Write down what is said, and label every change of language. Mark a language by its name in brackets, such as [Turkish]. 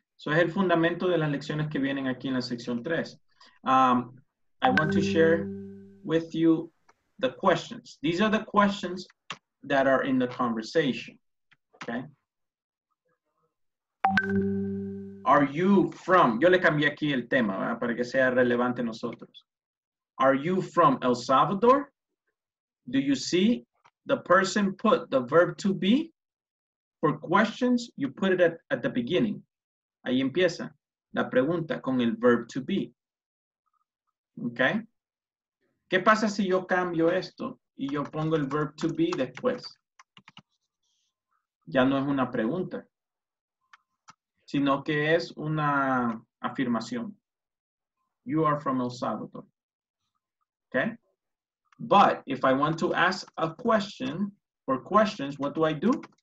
[Spanish] So es el fundamento de las lecciones que vienen aquí en la sección 3. [English] I want to share with you the questions. These are the questions that are in the conversation. Okay. Are you from, [Spanish] yo le cambié aquí el tema, ¿verdad? Para que sea relevante nosotros. [English] Are you from El Salvador? Do you see the person put the verb to be? For questions, you put it at the beginning. [Spanish] Ahí empieza la pregunta con el [English] verb to be. [Spanish] Okay. ¿Qué pasa si yo cambio esto y yo pongo el verb to be después? Ya no es una pregunta, sino que es una afirmación. [English] You are from El Salvador. Okay. But if I want to ask a question or questions, what do?